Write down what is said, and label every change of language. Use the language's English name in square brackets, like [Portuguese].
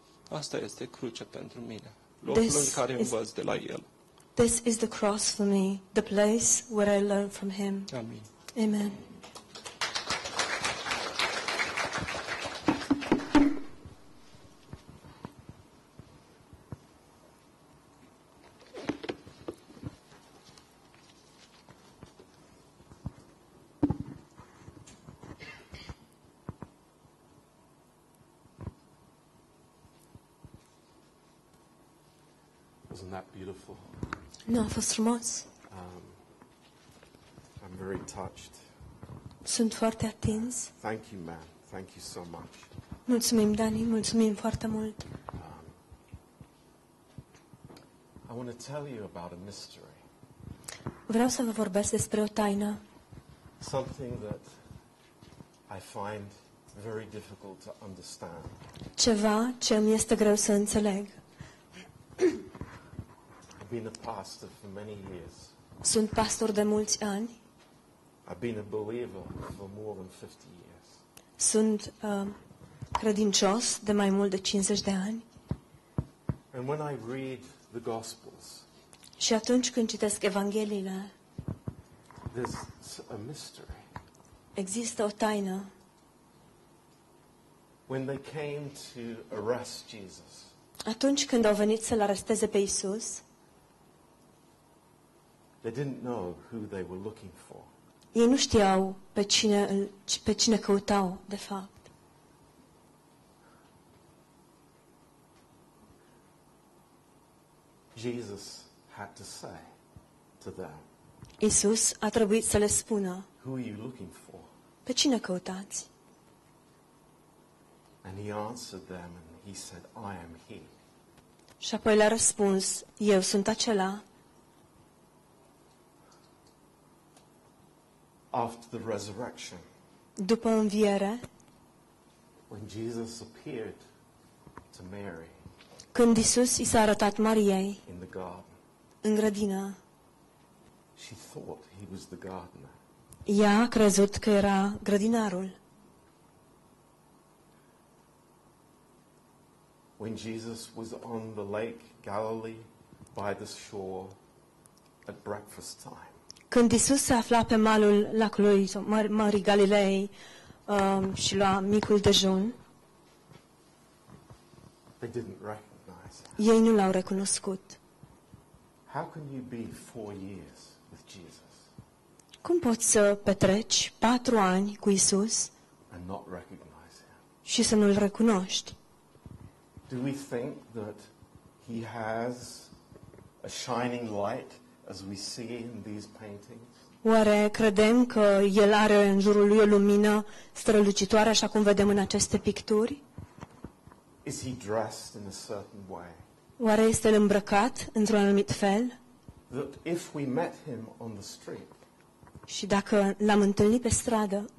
[Romanian] Asta este crucea pentru mine, locul în care învăț de la el. [English] This is the cross for me, the place where I learn from him. [Romanian] Amin. [English] Amen. Isn't that beautiful? [Romanian] Nu a fost frumos? [English] I'm very touched. [Romanian] Sunt foarte atins. [English] Thank you, ma'am. Thank you so much. [Romanian] Mulțumim, Dani. Mulțumim foarte mult. [English] I want to tell you about a mystery. [Romanian] Vreau să vă vorbesc despre o taină. [English] Something that I find very difficult to understand. [Romanian] Ceva ce îmi este greu să înțeleg. [English] I've been a pastor for many years. [Romanian] Sunt pastor de mulți ani. [English] I've been a believer for more than 50 years. [Romanian] Sunt credincios de mai mult de 50 de ani. [English] And when I read the Gospels, [Romanian] și atunci când citesc Evangheliile, [English] there's a mystery. [Romanian] Există o taină. [English] When they came to arrest Jesus, [Romanian] atunci când au venit să-l aresteze pe Isus, [English] they didn't know who they were looking for. [Romanian] Ei nu știau pe cine căutau, de fapt. [English] Jesus had to say to them, [Romanian] Isus a trebuit să le spună, [English] who are you looking for? [Romanian] Pe cine căutați? [English] And he answered them and he said, I am he. [Romanian] Și apoi le-a răspuns, eu sunt acela. [English] After the resurrection, [Romanian] după înviere, [English] when Jesus appeared to Mary, [Romanian] când Isus i s-a arătat Mariei, [English] in the garden, [Romanian] în grădină, [English] she thought he was the gardener. [Romanian] Ea a crezut că era grădinarul. [English] When Jesus was on the Lake Galilee by the shore at breakfast time. [Romanian] Când Isus se afla pe malul lacului Mării Galilei și lua micul dejun, [English] they didn't recognize him. [Romanian] Ei nu l-au recunoscut. [English] How can you be 4 years with Jesus? [Romanian] Cum poți să petreci 4 ani cu Isus [English] and not recognize him? [Romanian] Și să nu-l recunoști? [English] Do we think that he has a shining light as we see in these paintings? [Romanian] Oare credem că el are în jurul lui o lumină strălucitoare așa cum vedem în aceste picturi? [English] Is he dressed in a certain way? [Romanian] Oare este îmbrăcat într-un anumit fel? [English] That if we met him on the street, [Romanian] și dacă l-am întâlnit pe stradă,